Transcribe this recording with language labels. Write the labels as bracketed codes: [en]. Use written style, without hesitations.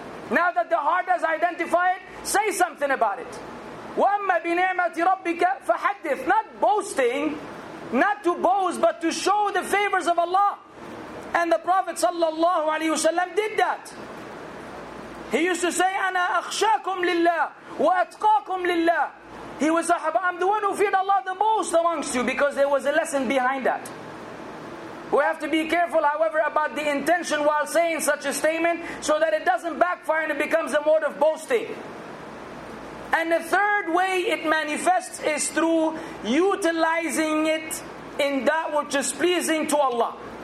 [en] Now that the heart has identified, say something about it. [ar] وَأَمَّا بِنِعْمَةِ رَبِّكَ فَحَدِّثْ. [en] Not boasting, not to boast, but to show the favors of Allah. And the Prophet sallallahu alaihi wasallam did that. He used to say, [ar] أَنَا أَخْشَاكُمْ لِلَّهِ وَأَتْقَاكُمْ لِلَّهِ. [en] He was sahaba, I'm the one who feared Allah the most amongst you, because there was a lesson behind that. We have to be careful, however, about the intention while saying such a statement, so that it doesn't backfire and it becomes a mode of boasting. And the third way it manifests is through utilizing it in that which is pleasing to Allah.